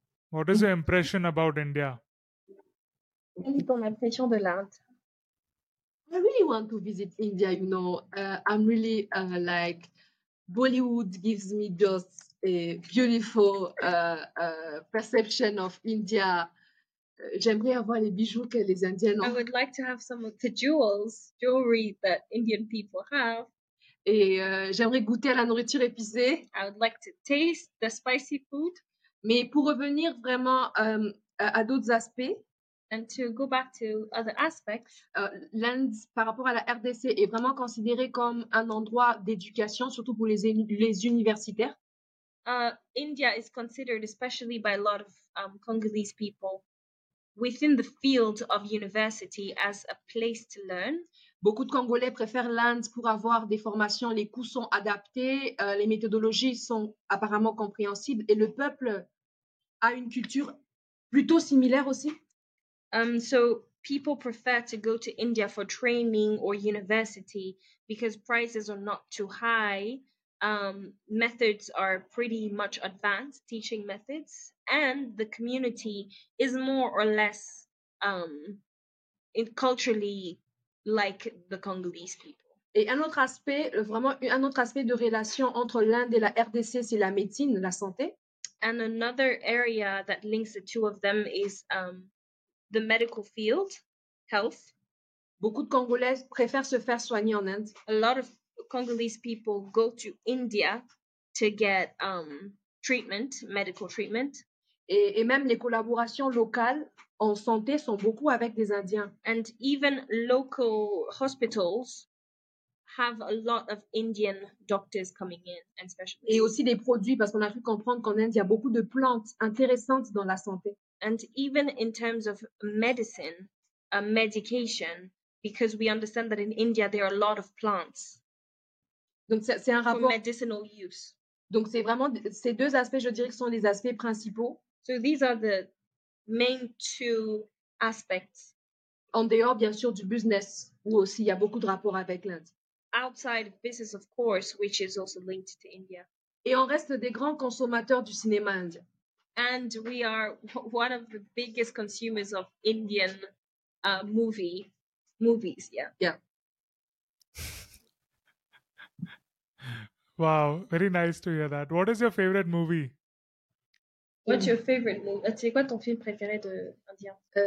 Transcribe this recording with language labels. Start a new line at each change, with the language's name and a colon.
English: What is your impression about India?
French: Quelle est ton impression de l'Inde?
English: I really want to visit India, you know. I'm really like, Bollywood gives me just a beautiful perception of India.
French: J'aimerais avoir les bijoux que les Indiens ont.
English: I would like to have some of the jewelry that Indian people have.
French: Et j'aimerais goûter à la nourriture épicée.
English: I would like to taste the spicy food.
French: Mais pour revenir vraiment à d'autres aspects.
English: And to go back to other aspects.
French: L'Inde, par rapport à la RDC, est vraiment considérée comme un endroit d'éducation, surtout pour les universitaires.
English: India is considered, especially by a lot of Congolese people, within the field of university as a place to learn.
French: Beaucoup de Congolais préfèrent l'Inde pour avoir des formations. Les coûts sont adaptés, les méthodologies sont apparemment compréhensibles et le peuple a une culture plutôt similaire aussi.
English: So people prefer to go to India for training or university because prices are not too high. Methods are pretty much advanced, teaching methods, and the community is more or less culturally like the Congolese people.
French: Et un autre aspect, vraiment un autre aspect de relation entre l'Inde et la RDC, c'est la médecine, la santé.
English: And another area that links the two of them is the medical field, health.
French: Beaucoup de Congolais préfèrent se faire soigner en Inde.
English: A lot of Congolese people go to India to get treatment, medical treatment.
French: Et même les collaborations locales en santé sont beaucoup avec des Indiens.
English: And even local hospitals have a lot of Indian doctors coming in and specialists.
French: Et aussi des produits, parce qu'on a pu comprendre qu'en Inde, il y a beaucoup de plantes intéressantes dans la santé.
English: And even in terms of medicine, medication, because we understand that in India, there are a lot of plants.
French: Donc c'est un rapport.
English: For medicinal use.
French: Donc c'est vraiment ces deux aspects, je dirais, qui sont les aspects principaux.
English: So these are the main two aspects.
French: En dehors, bien sûr, du business, où aussi il y a beaucoup de rapports avec l'Inde.
English: Outside of business, of course, which is also linked to India.
French: Et on reste des grands consommateurs du cinéma indien.
English: And we are one of the biggest consumers of Indian movies. Yeah. Wow, very nice to hear that. What is your favorite movie? What's your favorite movie?
French: C'est quoi ton film préféré de Indien?